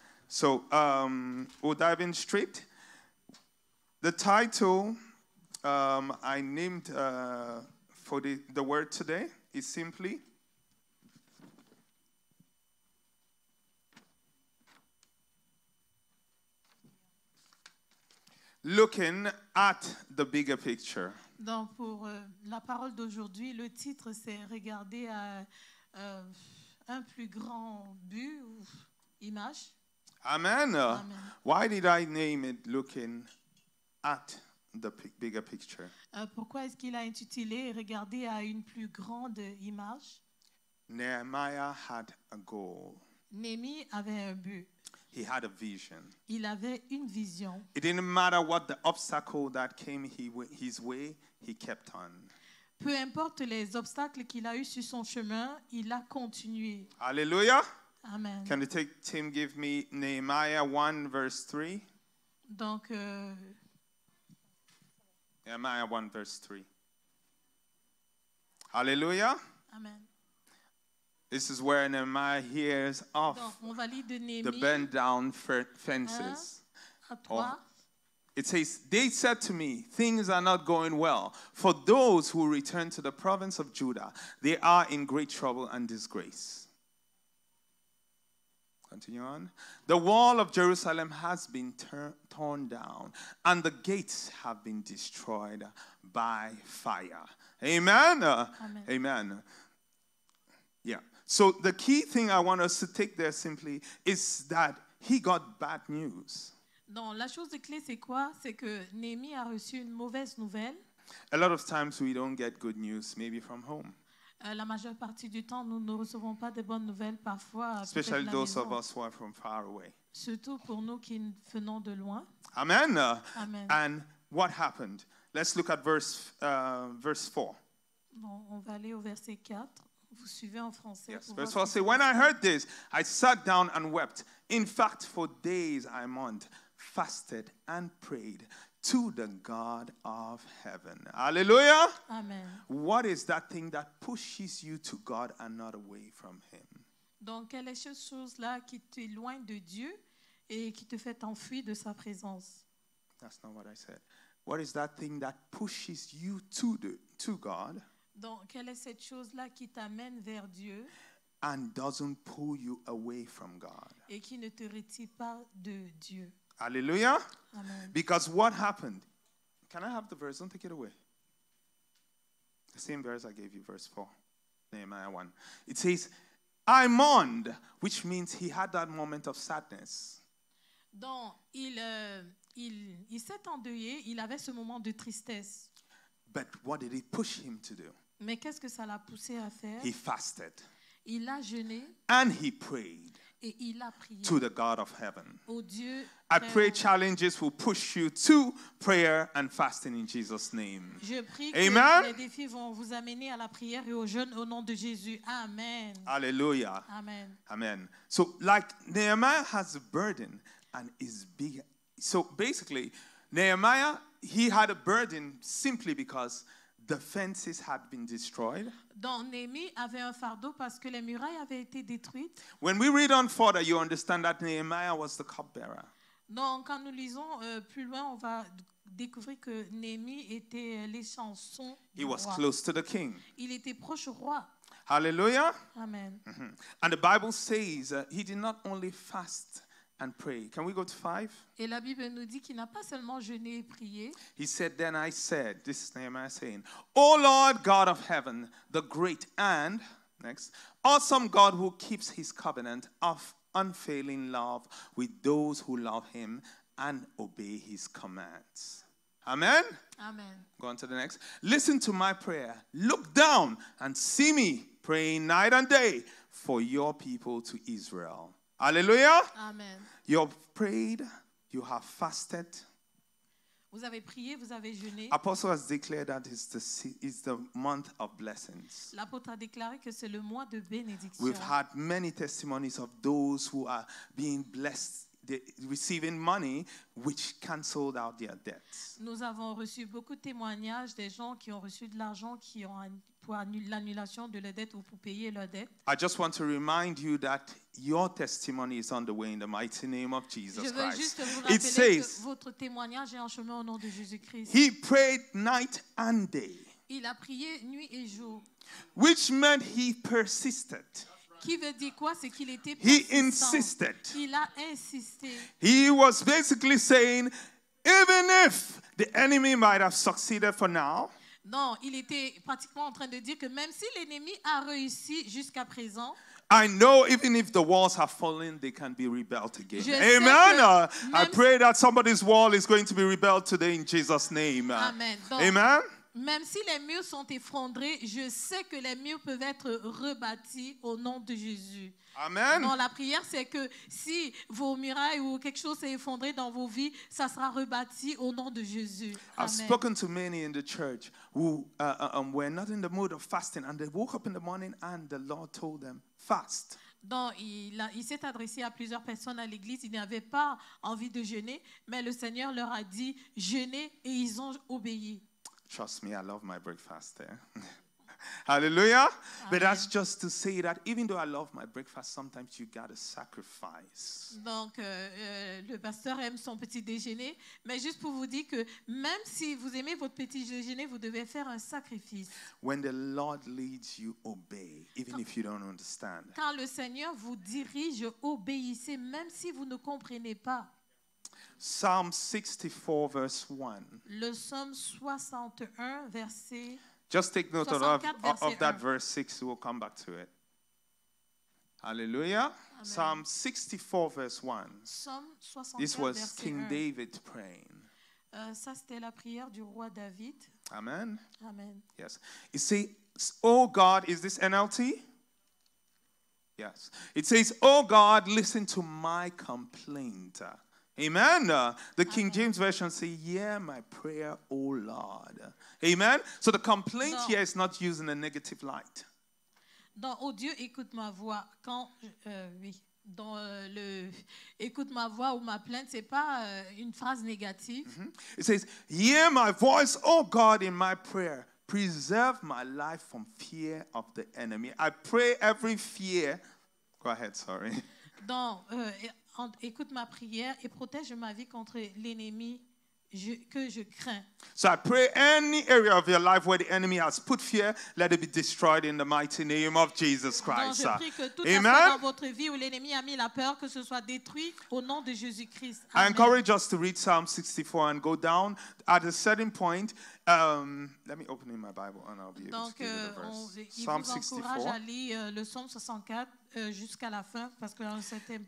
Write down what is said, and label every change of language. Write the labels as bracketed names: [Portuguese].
[English] So we'll dive in straight. The title I named for the word today is simply Looking at the bigger picture. [French] Donc pour la parole d'aujourd'hui, le titre c'est regarder à un plus grand but ou image. Amen. Amen. [English] Why did I name it looking at the bigger picture? [French] Pourquoi est-ce qu'il a intitulé regarder à une plus grande image? [English] Nehemiah had a goal. [French] Nehemie avait un but. [English] He had a vision. [French] Il avait une vision. [English] It didn't matter what the obstacle that came his way, he kept on. [French] Peu importe les obstacles qu'il a eu sur son chemin, il a continué. Alléluia. Amen. [English] Can the team give me Nehemiah 1 verse 3? [French] Donc [English] Nehemiah 1 verse 3. Alléluia. Amen. This is where Nehemiah hears of the bent down fences. It says, they said to me, things are not going well for those who return to the province of Judah. They are in great trouble and disgrace. Continue on. The wall of Jerusalem has been torn down and the gates have been destroyed by fire. Amen. Amen. So the key thing I want us to take there simply is that he got bad news. [French] Non, la chose de clé c'est quoi? C'est que Néhémie a reçu une mauvaise nouvelle. [English] A lot of times we don't get good news, maybe from home. [French] La majeure partie du temps, nous ne recevons pas de bonnes nouvelles parfois. [English] Especially those of us who are from far away. [French] Surtout pour nous qui venons de loin. Amen. Amen. [English] And what happened? Let's look at verse 4. [French] Bon, on va aller au verset 4. Vous suivez en français. [English] Yes, verse 4 says, when I heard this, I sat down and wept. In fact, for days I mourned, fasted and prayed to the God of heaven. Hallelujah. Amen. What is that thing that pushes you to God and not away from him? [French] Donc, quelle est cette chose-là qui t'éloigne de Dieu et qui te fait t'enfuir de sa présence? [English] That's not what I said. What is that thing that pushes you to God? [French] Donc, quelle est cette chose-là qui t'amène vers Dieu [English] and doesn't pull you away from God? [French] Et qui ne te retire pas de Dieu. Hallelujah. Amen. [English] Because what happened? Can I have the verse? Don't take it away. The same verse I gave you, verse 4, Nehemiah 1. It says, I mourned, which means he had that moment of sadness. [French] Donc, il s'est endeuillé, il avait ce moment de tristesse. [English] But what did it push him to do? [French] Mais qu'est-ce que ça l'a poussé à faire? [English] He fasted. [French] Il a jeûné. [English] And he prayed. [French] Et il a prié. [English] To the God of heaven. [French] Au Dieu. [English] I pray challenges will push you to prayer and fasting in Jesus' name. [French] Je prie. Amen. Que les défis vont vous amener à la prière et au jeûne au nom de Jésus. Amen. Hallelujah. Amen. Amen. [English] So like Nehemiah has a burden and is big. So basically, Nehemiah, he had a burden simply because the fences had been destroyed. [French] Donc, Néhémie avait un fardeau parce que les murailles avaient été détruites. [English] When we read on further, you understand that Nehemiah was the cupbearer. [French] Donc, quand nous lisons plus loin, on va découvrir que Néhémie était l'échanson du roi. [English] He was close to the king. [French] Il était proche au roi. Hallelujah. Amen. Mm-hmm. [English] And the Bible says he did not only fast and pray. Can we go to 5? [French] Et la Bible nous dit qu'il n'a pas seulement jeûné et prié. [English] He said, then I said, this is Nehemiah saying, O Lord God of heaven, the great and, next, awesome God who keeps his covenant of unfailing love with those who love him and obey his commands. Amen? Amen. Go on to the next. Listen to my prayer. Look down and see me praying night and day for your people to Israel. Hallelujah. Amen. You have prayed, you have fasted. [French] Vous avez prié, vous avez jeûné. [English] Apostle has declared that it's the month of blessings. [French] L'apôtre a déclaré que c'est le mois de bénédiction. [English] We've had many testimonies of those who are being blessed, receiving money which canceled out their debts. [French] Nous avons reçu beaucoup de témoignages des gens qui ont reçu de l'argent qui ont pour l'annulation de leur dette ou pour payer leur dette. [English] I just want to remind you that your testimony is on the way in the mighty name of Jesus Christ. [French] Je veux juste vous rappeler [English] it says, [French] que votre témoignage est en chemin au nom de Jésus-Christ. [English] He prayed night and day. [French] Il a prié nuit et jour. [English] Which meant he persisted. [French] Qui veut dire quoi, c'est qu'il était persistant. [English] He insisted. [French] Il a insisté. [English] He was basically saying, even if the enemy might have succeeded for now. [French] Non, il était pratiquement en train de dire que même si l'ennemi a réussi jusqu'à présent. [English] I know even if the walls have fallen, they can be rebuilt again. Amen. I pray that somebody's wall is going to be rebuilt today in Jesus' name. Amen. Amen. [French] Même si les murs sont effondrés, je sais que les murs peuvent être rebâtis au nom de Jésus. Amen. Non, la prière, c'est que si vos murailles ou quelque chose s'est effondré dans vos vies, ça sera rebâti au nom de Jésus. Amen. [English] I've spoken to many in the church who were not in the mood of fasting, and they woke up in the morning and the Lord told them, fast. [French] Donc, il s'est adressé à plusieurs personnes à l'église. Ils n'avaient pas envie de jeûner, mais le Seigneur leur a dit, jeûnez, et ils ont obéi. [English] Trust me, I love my breakfast. Eh? Hallelujah. Amen. But that's just to say that even though I love my breakfast, sometimes you gotta sacrifice. [French] Donc, le pasteur aime son petit déjeuner, mais juste pour vous dire que même si vous aimez votre petit déjeuner, vous devez faire un sacrifice. [English] When the Lord leads you, obey, even if you don't understand. [French] Quand le Seigneur vous dirige, obéissez, même si vous ne comprenez pas. [English] Psalm 64, verse 1. [French] Le psaume 61, verset... [English] Just take note of that verse 6. We'll come back to it. Hallelujah. Amen. Psalm 64, verse 1. Psalm 61, this was [French] verset [English] King 1. David praying. [French] Ça, c'était la prière du roi David. Amen. Amen. [English] Yes. You see, oh God, is this NLT? Yes. It says, oh God, listen to my complaint. Amen. The King Amen. James Version say, yeah, my prayer, O Lord. Amen. So the complaint here is not used in a negative light. [French] Dans, oh Dieu, écoute ma voix. Quand, oui, dans le, écoute ma voix ou ma plainte, c'est pas une phrase négative. [English] Mm-hmm. It says, hear my voice, O God, in my prayer. Preserve my life from fear of the enemy. I pray every fear. Go ahead, sorry. [French] Dans, écoute ma prière et protège ma vie contre l'ennemi que je crains. [English] So I pray any area of your life where the enemy has put fear, let it be destroyed in the mighty name of Jesus Christ. [French] Donc je prie que tout aspect dans votre vie où l'ennemi a mis la peur, que ce soit détruit au nom de Jésus Christ. [English] I encourage us to read Psalm 64 and go down at a certain point. Let me open in my Bible and I'll be able [French] Donc, [English] to give you the verse. [French] Il Psalm vous encourage 64. À lire le psaume 64 jusqu'à la fin parce que dans un certain point.